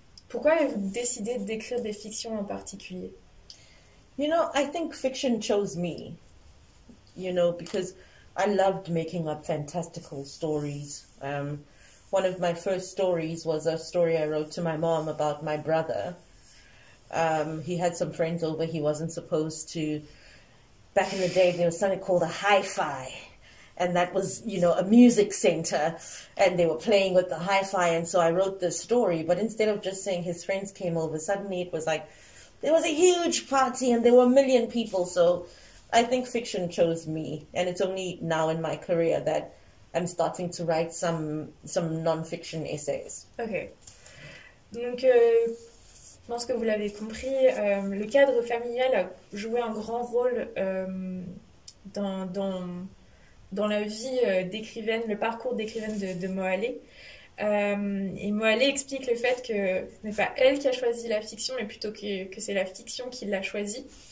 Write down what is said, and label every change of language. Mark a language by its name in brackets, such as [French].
[French] Pourquoi avez-vous décidé d'écrire des fictions en particulier? [English] I think fiction chose me, because I loved making up fantastical stories. One of my first stories was a story I wrote to my mom about my brother. He had some friends over, he wasn't supposed to. Back in the day, there was something called a hi-fi. And that was, a music center, and they were playing with the hi-fi. And so I wrote this story, but instead of just saying his friends came over, suddenly it was like there was a huge party and there were a million people. So I think fiction chose me. And it's only now in my career that I'm starting to write some non-fiction essays. Ok. [French] Donc, je pense que vous l'avez compris, le cadre familial a joué un grand rôle dans la vie d'écrivaine, le parcours d'écrivaine de Moalé. Et Moalé explique le fait que ce n'est pas elle qui a choisi la fiction, mais plutôt que c'est la fiction qui l'a choisie.